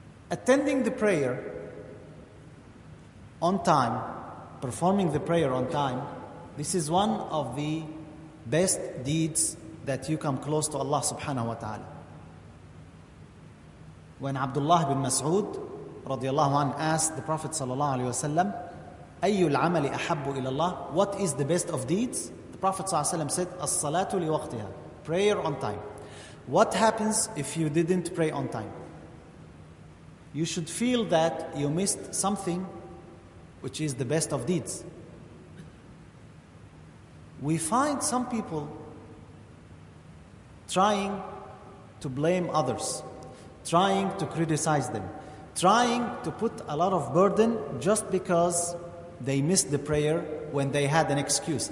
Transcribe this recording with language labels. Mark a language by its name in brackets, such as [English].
[English] Attending the prayer on time, performing the prayer on time, this is one of the best deeds that you come close to Allah subhanahu wa ta'ala. When Abdullah bin Mas'ud radiallahu anhu asked the Prophet sallallahu alayhi wa sallam, [Arabic] أي العمل أحب إلى الله؟ [English] What is the best of deeds? [Arabic] The Prophet صلى الله عليه وسلم said, الصلاة لوقتها. [English] Prayer on time. What happens if you didn't pray on time? You should feel that you missed something which is the best of deeds. We find some people trying to blame others, trying to criticize them, trying to put a lot of burden just because they missed the prayer when they had an excuse.